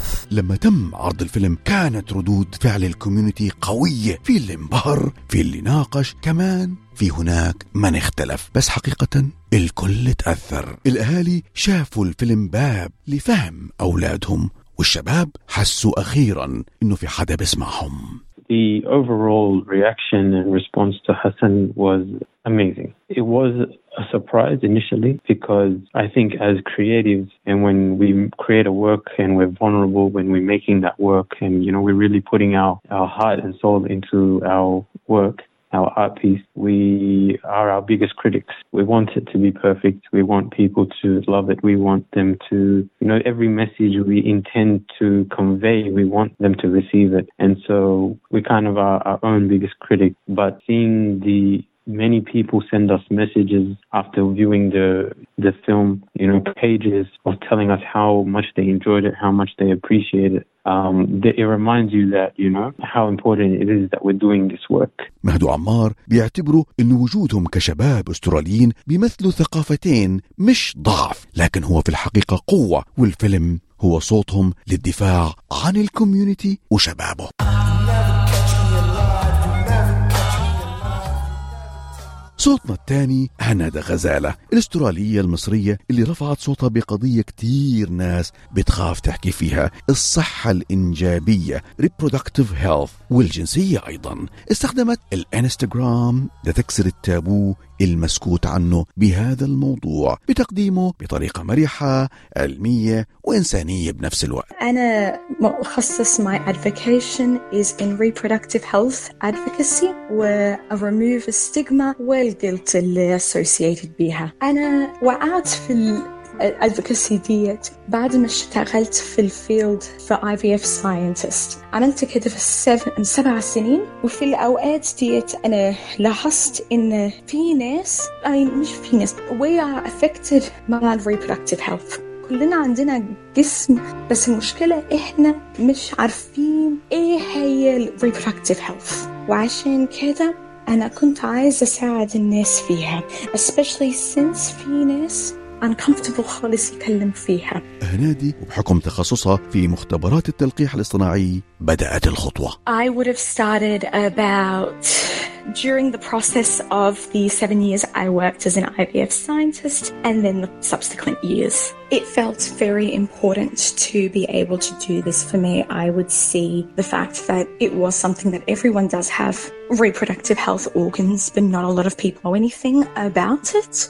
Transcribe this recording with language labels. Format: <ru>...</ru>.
<ar>لما تم عرض الفيلم كانت ردود فعل الكوميونتي قوية، في اللي انبهر، في اللي ناقش، كمان في هناك من اختلف، بس حقيقة الكل تأثر. الأهالي شافوا الفيلم باب لفهم أولادهم، والشباب حسوا أخيرا إنه في حدا بسمعهم.</ar> <en>The overall reaction and response to Hassan was amazing. It was a surprise initially because I think as creatives and when we create a work and we're vulnerable when we're making that work and you know we're really putting our heart and soul into our work, our art piece, we are our biggest critics. We want it to be perfect. We want people to love it. We want them to, you know, every message we intend to convey, we want them to receive it. And so we kind of are our own biggest critic. But seeing the many people send us messages after viewing the film, you know, pages of telling us how much they enjoyed it, how much they appreciate it. It reminds you that, you know, how important it is that we're doing this work.</en> <ar>مهدو عمار بيعتبروا أن وجودهم كشباب أستراليين بيمثلوا ثقافتين مش ضعف، لكن هو في الحقيقة قوة، والفيلم هو صوتهم للدفاع عن الكوميونتي وشبابه. صوتنا الثاني هنادة غزالة الأسترالية المصرية اللي رفعت صوتها بقضية كتير ناس بتخاف تحكي فيها، الصحة الإنجابية reproductive health والجنسية. أيضا استخدمت الانستغرام لتكسر التابو المسكوت عنه بهذا الموضوع بتقديمه بطريقة مريحة علمية وإنسانية بنفس الوقت. أنا مخصص</ar> <en>my advocation is in reproductive health advocacy and remove the stigma</en> <ar>والguilt اللي</ar> <en>associated</en> <ar>بيها. أنا وقعت في الادفوكاسي ديت بعد ما اشتغلت في الفيلد في</ar> <en>IVF scientist.</en> <ar>عملت كده في 7 سنين وفي الأوقات ديت أنا لاحظت إن في ناس مش في ناس</ar> <en>we are affected by reproductive health.</en> <ar>كلنا عندنا جسم بس المشكلة إحنا مش عارفين إيه هي reproductive health. وعشان كده أنا كنت عايزة أساعد الناس فيها</ar> <en>especially since</en> <ar>في ناس</ar> <en>uncomfortable</en> <ar>خالص يتكلم فيها. هنادي وبحكم تخصصها في مختبرات التلقيح الاصطناعي بدأت الخطوة.</ar> <en>I would have started about during the process of the 7 years I worked as an IVF scientist and then the subsequent years. It felt very important to be able to do this for me. I would see the fact that it was something that everyone does have reproductive health organs, but not a lot of people know anything about it.</en>